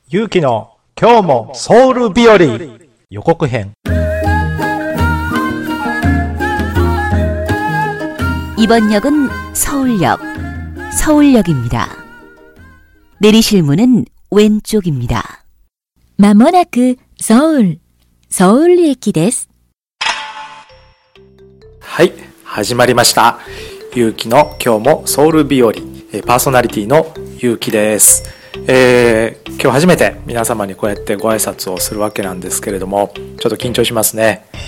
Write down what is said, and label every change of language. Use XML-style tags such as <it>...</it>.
<ja>ゆうきの今日もソウル日和予告編。</ja> <ko>이번역은서울역서울역입니다내리실문은왼쪽입니다</ko> <ja>まもなく서울서울駅です。はい、始まりました。ゆうきの今日もソウル日和、パーソナリティのゆうきです。今日初めて皆様にこうやってご挨拶をするわけなんですけれども、ちょっと緊張しますね。</ja>